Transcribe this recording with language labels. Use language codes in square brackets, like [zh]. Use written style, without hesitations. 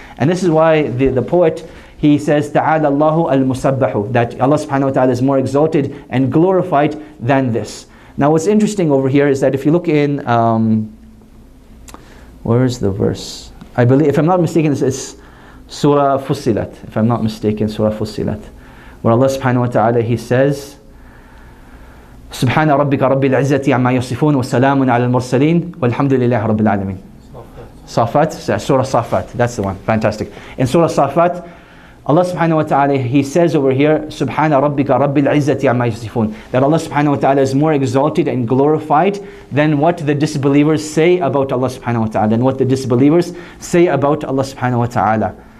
[en] And this is why the poet, he says, [ar] تَعَالَ اللَّهُ الْمُسَبَّحُ, [en] that Allah subhanahu wa ta'ala is more exalted and glorified than this. Now what's interesting over here is that if you look in, where is the verse? I believe, if I'm not mistaken, it's Surah Fussilat. Where Allah subhanahu wa ta'ala, He says, [ar] سبحان ربك رب العزة عما يصفون والسلام على المرسلين والحمد لله رب العالمين. [en] Safat, Surah Safat, that's the one, fantastic. In Surah Safat, Allah subhanahu wa ta'ala, He says over here, [ar] Subhana rabbika rabbil izzati amma yasifun, [en] that Allah subhanahu wa ta'ala is more exalted and glorified than what the disbelievers say about Allah subhanahu wa ta'ala, than what the disbelievers say about Allah subhanahu wa ta'ala.